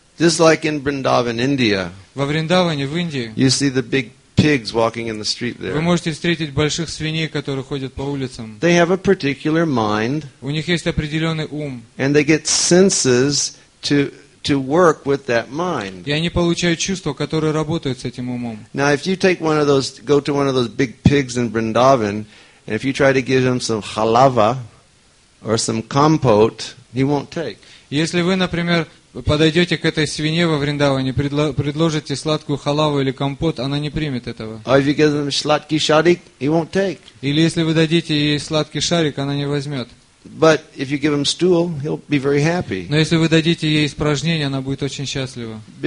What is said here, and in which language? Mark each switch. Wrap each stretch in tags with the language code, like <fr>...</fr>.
<en>Just like in Vrindavan, India,</en> <ru>во Вриндаване, в Индии,</ru> <en>you see the big pigs walking in the street there.</en> <ru>Вы можете встретить больших свиней, которые ходят по улицам.</ru> <en>They have a particular mind.</en> <ru>У них есть определенный ум.</ru> <en>And they get senses to work with that mind.</en> <ru>И они получают чувства, которые работают с этим умом.</ru> <en>Now, if you take one of those, go to one of those big pigs in Vrindavan, and if you try to give him some halava or some compote, he won't take.</en> <ru>Если вы, например, подойдете к этой свинье во Вриндаване, предложите сладкую халаву или компот, она не примет этого. Или если вы дадите ей сладкий шарик, она не возьмет. Но если вы дадите ей испражнение, она будет очень счастлива.</ru>